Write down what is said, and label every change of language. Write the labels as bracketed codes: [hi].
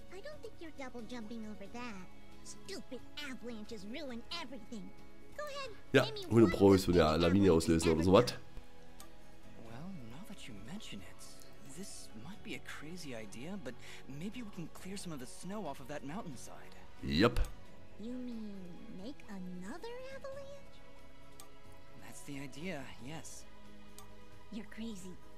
[en] I don't think you're double jumping over that. Stupid avalanches ruin everything. Go ahead. [de] Ja, ohne Pro ist wieder Lawine auslösen oder sowas. [en] Well, now that you mention it, this might be a crazy idea, but maybe we can clear some of the snow off of that mountainside. Yep. You mean make another avalanche? That's the idea, yes. You're crazy.